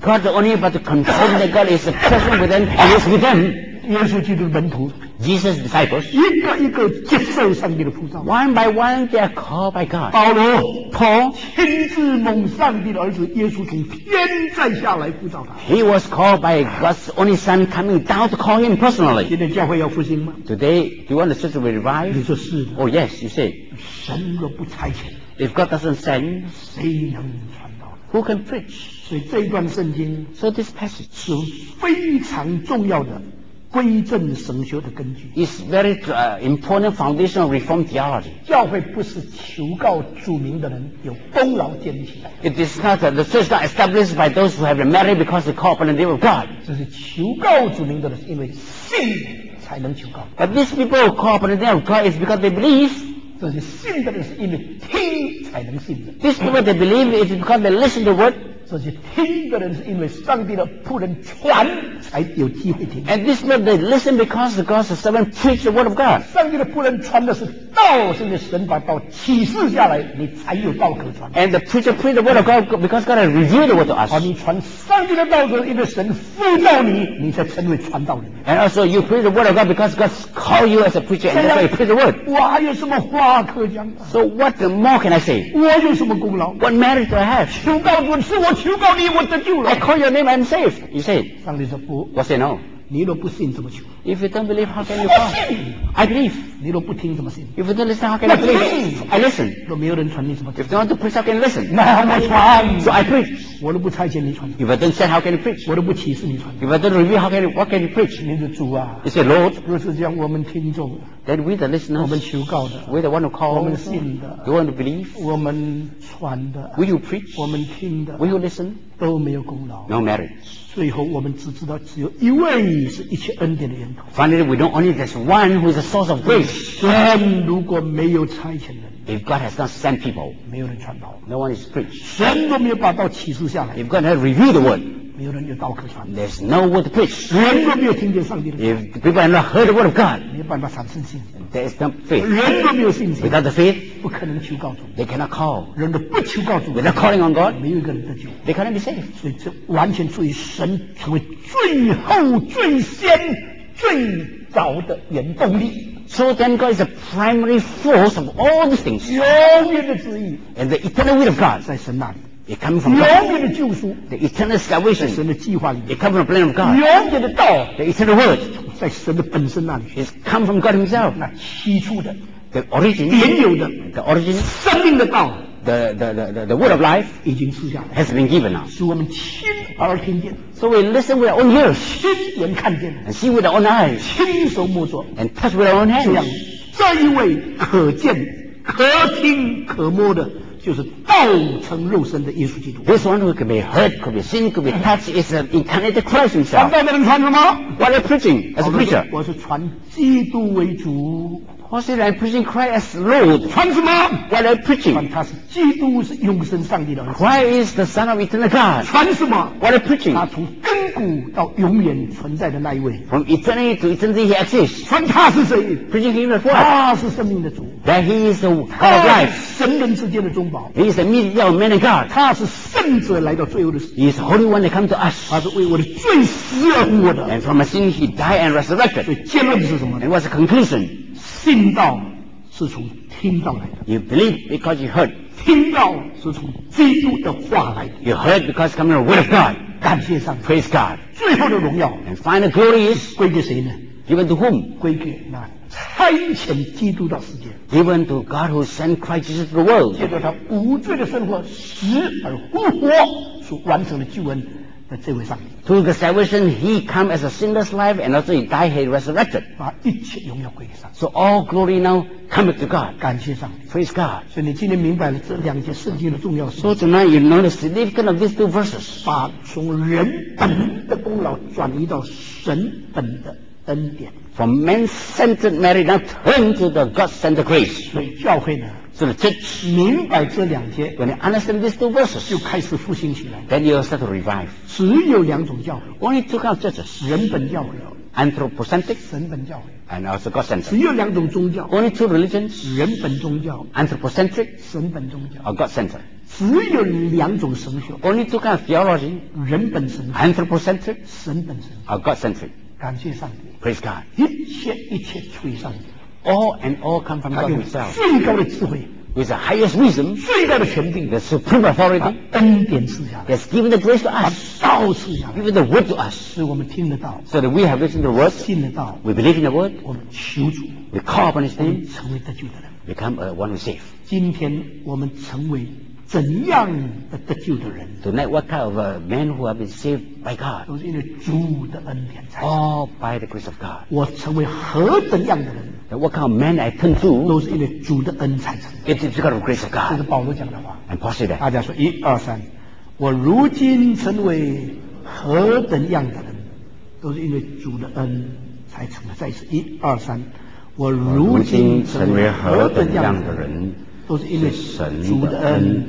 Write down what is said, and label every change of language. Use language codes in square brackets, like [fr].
[en] God only but to confirm that God is present with them, and is with them. [zh] 耶稣基督的门徒 [en] Jesus disciples, [zh] 一个一个接受上帝的呼召 [en] one by one they are called by God. [zh] 保罗 [en] Paul, [zh] 亲自蒙上帝的儿子耶稣从天再下来呼召他。 [en] He was called by God's only Son coming down to call him personally. [zh] 今天教会要复兴吗 [en] ？Today, do you want the church to revive? [zh] 你说是。 [en] Oh yes, you say. [zh] 神若不差遣 [en] ，If God doesn't send, [zh] 谁能传道 [en] ？Who can preach? [zh] 所以这一段圣经 [en] ，So this passage [zh] 是非常重要的归正神学的根据。 [en] It's very important foundation of Reformed theology. [zh] 教会不是求告主名的人有功劳建立起来。 [en] It is not the church not established by those who have merit because they call upon the name of God. [zh] 这是求告主名的人，因为信才能求告。 [en] But these people who call upon the name of God is because they believe. [zh] 这是信的人是因为听才能信的。 [en] These people they believe is because they listen to the word. [zh] 这些听的人是因为上帝的仆人传才有机会听。 [en] And this means they listen because God's servant preached the word of God. [zh] 上帝的仆人传的是道，是因为神把道启示下来，你才有道可传。 [en] And the preacher preached the word of God because God has revealed the word to us. [zh] 你传上帝的道是因为神呼召你，你才成为传道人。 [en] And also you preach the word of God because God called you as a preacher and you preach the word. [zh] 我还有什么话可讲 [en] ？So what more can I say? [zh] 我有什么功劳 [en] ？What merit do I have? [zh] 求告主是我。求告你，我得救了。 [en] I call your name, I'm safe. You say. [zh] 上帝说不。 [en] 我 say no. [zh] 你若不信，怎么求 [en] ？If you don't believe, how can you call? I believe. [zh] 你若不听，怎么信 [en] ？If you don't listen, how can you believe? I listen. [zh] 若没有人传，你怎么 [en] ？If you don't want to preach, how can you listen? [zh] 那我传。 [en] So I preach. [zh] 我都不差遣你传道。 [en] If I don't say, how can you preach? [zh] 我都不启示你传道。 [en] If I don't reveal, how can you, what can you preach? [zh] 你是主啊。 [en] He said, Lord, [zh] 若是将我们听众 [en] then we the listeners, [zh] 我们求告的 [en] we the one who calls, [zh] 我们信的 [en] the one who believes, [zh] 我们传的 [en] will you preach? [zh] 我们听的 [en] will you listen? [zh] 都没有功劳 [en] no merit. [zh] 最后我们只知道只有一位是一切恩典的源头 [en] Finally we know only there's one who is the source of grace [zh] 神如果没有差遣人 [en] If God has not sent people [zh] 没有人传道 [en] No one is preached [zh] 神都没有把道启示下来 [en] If God has revealed the word [zh] 没有人有道可传 [en] There's no word to preach [zh] 人都没有听见上帝的 [en] If people have not heard the word of God [zh] 没有办法产生信心 [en] There's no faith [zh] 人都没有信心 [en] Without the faith [zh] 不可能求告主 [en] They cannot call [zh] 人都不求告主 [en] Without calling on God [zh] 没有一个人得救 [en] They cannot be saved [zh] 所以这完全出于神成为最后最先最早的原动力 [en] So then God is the primary force of all these things. [zh] 永远的旨意 [en] And the eternal will of God. [zh] 在神那里 [en] It comes from God. [zh] 永远的救赎 [en] The eternal salvation. [zh] 在神的计划里 [en] It comes from the plan of God. [zh] 永远的道 [en] The eternal word. [zh] 在神的本身那里 [en] It's come from God himself. [zh] 那起初的 [en] The origin. [zh] 原有的 [en] The origin. [zh] 生命的道 [en] The word of life. [zh] 已经出现了 [en] Has been given now. [zh] 使我们亲耳听见 [en] So we listen with our own ears, [zh] 亲眼看见 [en] and see with our own eyes, [zh] 亲手摸索 [en] and touch with our own hands. [zh] 这样，这一位可见、可听、可摸的，就是道成肉身的耶稣基督。 [en] This one who can be heard, could be seen, could be touched is the incarnate Christ himself. [zh] 他在那里传什么 [en] ？What are preaching as a preacher? [zh] 我是传基督为主。 [en] What's it like preaching Christ as Lord? [zh] 传什么 [en] ？What are preaching? [zh] 传他是基督，是永生上帝的儿子。 [en] Christ is the Son of Eternal God. [zh] 传什么 [en] ？What are preaching? [zh] 他从亘古到永远存在的那一位。 [en] From eternity to eternity, he exists. [zh] 传他是谁 [en] ？Preaching him as what? [zh] 他是生命的主。 [en] That he is the God of life. [zh] 神人之间的中保。 [en] He is the mediator of man and God. [zh] 他是圣者来到最后的。 [en] He is the Holy One that comes to us. [zh] 他是为我的罪死而活的。 [en] And from a sin, he died and resurrected. [zh] 所以结论是什么 [en] ？And what's the conclusion? [zh] 信道是从听道来的。 [en] You believe because you heard. [zh] 听道是从基督的话来的。 [en] You heard because coming from the word of God. [zh] 感谢上帝。 [en] Praise God. [zh] 最后的荣耀。 [en] And final glory is [zh] 归给谁呢 [en] ？Given to whom? [zh] 归给那差遣基督到世界。 [en] Given to God who sent Christ Jesus to the world. [zh] 借着他无罪的生活，死而复活，所完成的救恩。这位上帝 [en] to the salvation he come as a sinless life and also he died he resurrected [zh] 把一切荣耀归给上帝 [en] so all glory now come to God [zh] 感谢上帝 [en] praise God [zh] 所以你今天明白了这两节圣经的重要性 [en] so tonight you know the significance of these two verses [zh] 把从人本的功劳转移到神本的恩典 [en] from man-centered merit now turn to the God-centered grace [zh] 所以教会呢 [en] So the church, [zh] 明白这两节 [en] when you understand these two verses, [zh] 就开始复兴起来 [en] then you'll start to revive. [zh] 只有两种教会 [en] only two kinds of churches, [zh] 人本教会 [en] anthropocentric, [zh] 神本教会 [en] and also God-centered. [zh] 只有两种宗教 [en] only two religions, [zh] 人本宗教 [en] anthropocentric, [zh] 神本宗教 [en] or God-centered. [zh] 只有两种神学 [en] only two kinds of theology, [zh] 人本神学 [en] anthropocentric, [zh] 神本神学 [en] or God-centered. [zh] 感谢上帝 [en] praise God. [zh] 一切一切出于上帝 [en] All and all come from God himself. [zh] 最高的智慧 [en] with the highest wisdom, [zh] 最高的权柄 [en] the supreme authority, [zh] 恩典赐下来 [en] has given the grace to us, [zh] 把道赐下来 [en] given the word to us, [zh] 使我们听得到 [en] so that we have listened to the word, [zh] 信得到 [en] we believe in the word, [zh] 我们求主 [en] we call upon his name, [zh] 成为得救的人 [en] become a one who saves. [zh] 今天我们成为怎样的得救的人 [en] Tonight, what kind of a man who have been saved by God? [zh] 都是因为主的恩典才 [en] All by the grace of God. [zh] 我成为何等样的人 [en] That what kind of man I turn to? [zh] 都是因为主的恩才成 [en] It is because of the grace of God. [zh] 这是保罗讲的话 [en] And Paul said that. [zh] 大家说一二三我如今成为何等样的人都是因为主的恩才成的再一次一二三我如今成为何等样的人都是因为神的恩